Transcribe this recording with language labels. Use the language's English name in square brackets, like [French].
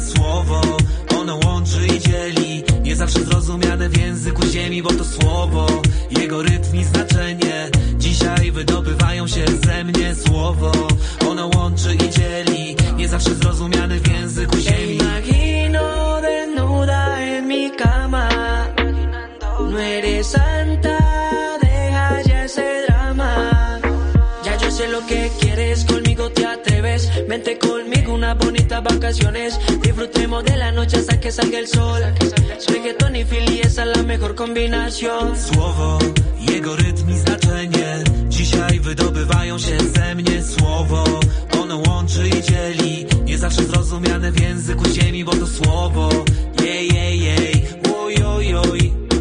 [Polish] Słowo, ono łączy i dzieli, nie zawsze zrozumiane w języku ziemi, bo to słowo, jego rytm i znaczenie dzisiaj wydobywają się ze mnie. Słowo, ono łączy i dzieli, nie zawsze zrozumiane w języku ziemi. [Spanish] Imagino desnuda en mi cama, no eres santa, deja ya ese drama. Ya yo sé lo que quieres, conmigo te atreves, vente conmigo unas bonitas vacaciones. Disfrutemos de la noche hasta que salga el sol. Soy Getón y Philly, esa es la mejor combinación. [Polish] Słowo, jego rytm i znaczenie dzisiaj wydobywają się ze mnie. Słowo, ono łączy i dzieli, nie zawsze zrozumiane w języku ziemi, bo to słowo, jej, jej, jej, oj, oj, oj.